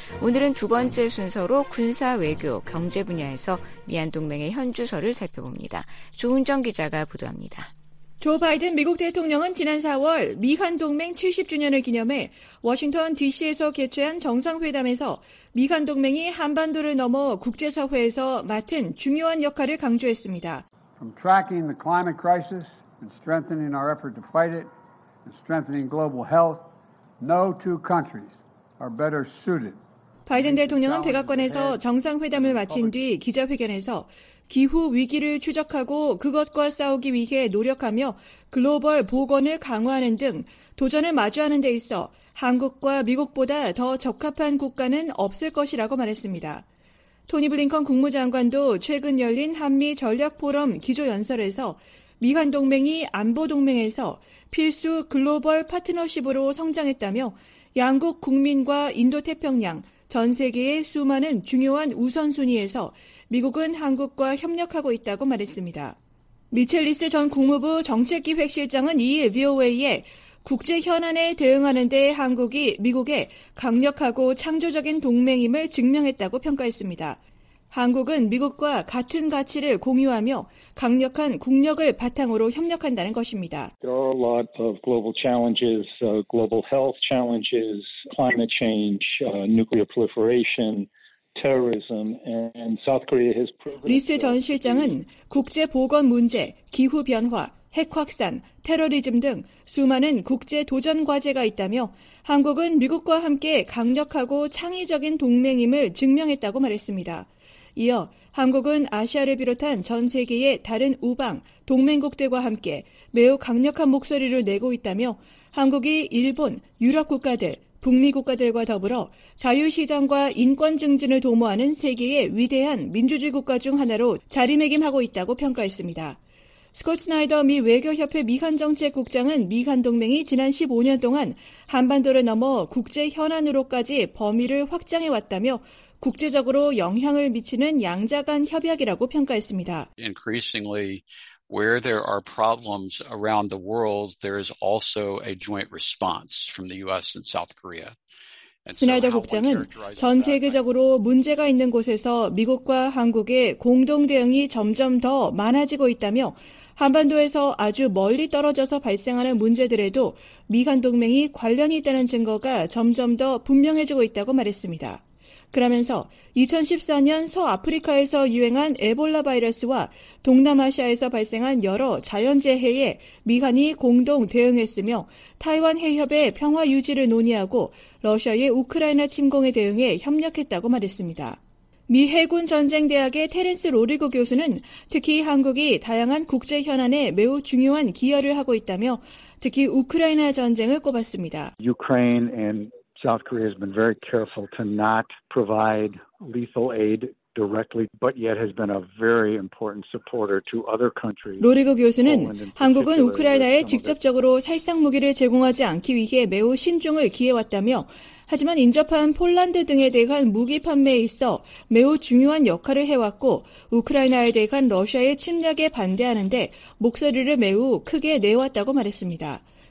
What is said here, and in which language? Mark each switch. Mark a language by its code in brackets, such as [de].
[ko] 오늘은 두 번째 순서로 군사 외교 경제 분야에서 미한 동맹의 현주소를 살펴봅니다. 조은정 기자가 보도합니다. 조 바이든 미국 대통령은 지난 4월 미한동맹 70주년을 기념해 워싱턴 DC에서 개최한 정상회담에서 미한동맹이 한반도를 넘어 국제사회에서 맡은 중요한 역할을 강조했습니다. [en] From tracking the climate crisis and strengthening our effort to fight it and strengthening global health, no two countries are better suited. [ko] 바이든 대통령은 백악관에서 정상회담을 마친 뒤 기자회견에서 기후 위기를 추적하고 그것과 싸우기 위해 노력하며 글로벌 보건을 강화하는 등 도전을 마주하는 데 있어 한국과 미국보다 더 적합한 국가는 없을 것이라고 말했습니다. 토니 블링컨 국무장관도 최근 열린 한미 전략포럼 기조연설에서 미한동맹이 안보동맹에서 필수 글로벌 파트너십으로 성장했다며 양국 국민과 인도태평양, 전 세계의 수많은 중요한 우선순위에서 미국은 한국과 협력하고 있다고 말했습니다. 미첼 리스 전 국무부 정책기획실장은 이일 VOA에 국제 현안에 대응하는 데 한국이 미국의 강력하고 창조적인 동맹임을 증명했다고 평가했습니다. 한국은 미국과 같은 가치를 공유하며 강력한 국력을 바탕으로 협력한다는 것입니다. [en] There are a lot of global challenges, global health challenges, climate change, nuclear proliferation, terrorism, and South Korea has proven. [ko] 리스 전 실장은 국제 보건 문제, 기후 변화, 핵 확산, 테러리즘 등 수많은 국제 도전 과제가 있다며 한국은 미국과 함께 강력하고 창의적인 동맹임을 증명했다고 말했습니다. 이어 한국은 아시아를 비롯한 전 세계의 다른 우방, 동맹국들과 함께 매우 강력한 목소리를 내고 있다며 한국이 일본, 유럽 국가들, 북미 국가들과 더불어 자유시장과 인권 증진을 도모하는 세계의 위대한 민주주의 국가 중 하나로 자리매김하고 있다고 평가했습니다. 스콧 스나이더 미 외교협회 미한정책국장은 미한동맹이 지난 15년 동안 한반도를 넘어 국제 현안으로까지 범위를 확장해왔다며 국제적으로 영향을 미치는 양자간 협약이라고 평가했습니다. [en] Increasingly, where there are problems around the world, there is also a joint response from the U.S. and South Korea. [ko] 스나이더 국장은 전 세계적으로 문제가 있는 곳에서 미국과 한국의 공동 대응이 점점 더 많아지고 있다며 한반도에서 아주 멀리 떨어져서 발생하는 문제들에도 미한 동맹이 관련이 있다는 증거가 점점 더 분명해지고 있다고 말했습니다. 그러면서 2014년 서아프리카에서 유행한 에볼라 바이러스와 동남아시아에서 발생한 여러 자연재해에 미한이 공동 대응했으며 타이완 해협의 평화 유지를 논의하고 러시아의 우크라이나 침공에 대응해 협력했다고 말했습니다. 미 해군 전쟁대학의 테렌스 로리고 교수는 특히 한국이 다양한 국제 현안에 매우 중요한 기여를 하고 있다며 특히 우크라이나 전쟁을 꼽았습니다. [en] Ukraine and South Korea has been very careful to not provide lethal aid directly, but yet has been a very important supporter to other countries. [ko] 로리고 교수는 한국은 우크라이나에 직접적으로 살상 무기를 제공하지 않기 위해 매우 신중을 기해왔다며, 하지만 인접한 폴란드 등에 대한 무기 판매에 있어 매우 중요한 역할을 해왔고, 우크라이나에 대한 러시아의 침략에 반대하는데 목소리를 매우 크게 내왔다고 말했습니다.